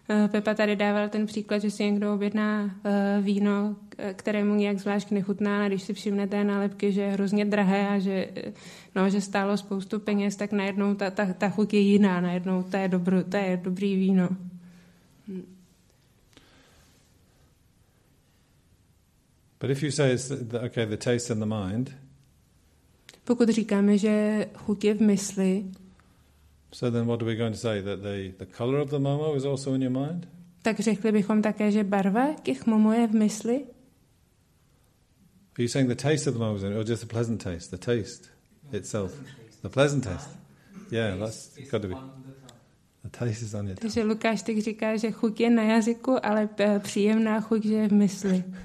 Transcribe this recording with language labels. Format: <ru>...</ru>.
<cs>Pepa tady dával ten příklad, že si někdo objedná víno, kterému nějak zvlášť nechutná, a když si všimne té nálepky, že je hrozně drahé a že stálo spoustu peněz, tak najednou ta chuť je jiná, najednou to je dobrý víno.</cs> <en>But if you say the taste in the mind.</en> <cs>Pokud říkáme, že chuť je v mysli.</cs> <en>So then what are we going to say that the color of the momo is also in your mind?</en> <cs>Tak řekli bychom také, že barva těch momo je v mysli?</cs> <en>Are you saying the taste of the moment was enough, or just the pleasant taste, the taste itself? The pleasant taste. Yeah, that's got to be. The taste is on your tongue.</en> <cs>Takže Lukáš tak říká, že chuť je na jazyku, ale příjemná chuť je v mysli.</cs>